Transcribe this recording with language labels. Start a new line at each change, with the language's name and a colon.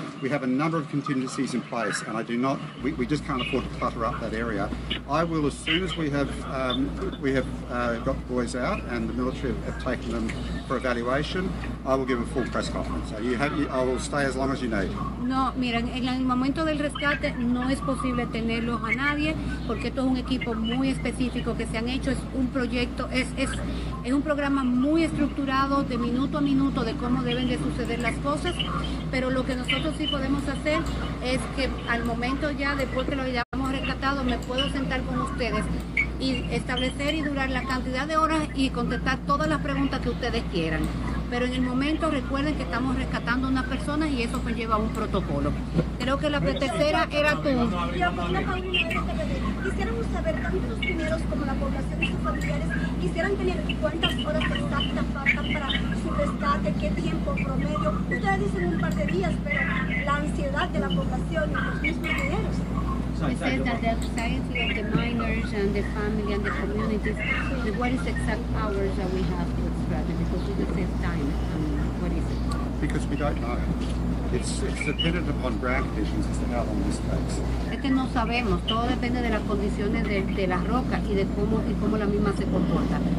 English: We have a number of contingencies in place, and we just can't afford to clutter up that area. I will, as soon as we have got the boys out and the military have taken them for evaluation, I will give a full press conference. I will stay as long as you need.
Spanish: No, miren, en el momento del rescate no es posible tenerlos a nadie, porque esto es un equipo muy específico que se han hecho, es un programa muy estructurado de minuto a minuto de cómo deben de suceder las cosas, pero lo que nosotros sí podemos hacer es que al momento ya, después que lo hayamos rescatado, me puedo sentar con ustedes y establecer y durar la cantidad de horas y contestar todas las preguntas que ustedes quieran. Pero en el momento recuerden que estamos rescatando a una persona y eso conlleva un protocolo. Creo que la tercera era tú. Quisiéramos saber, tanto los primeros como la población y sus familiares quisieran tener cuántas horas exactas faltan para su rescate, qué tiempo promedio. Ustedes dicen un par de días, pero la ansiedad de la población y los mismos mineros.
English: He says that the anxiety of the miners and the family and the communities, what is the exact hours that we have to extract? Because it's the same time. What is it? Because we don't know. It's dependent upon ground conditions as to how long this takes.
Spanish: Es que no sabemos. Todo depende de las condiciones de la roca y de cómo la misma se comporta.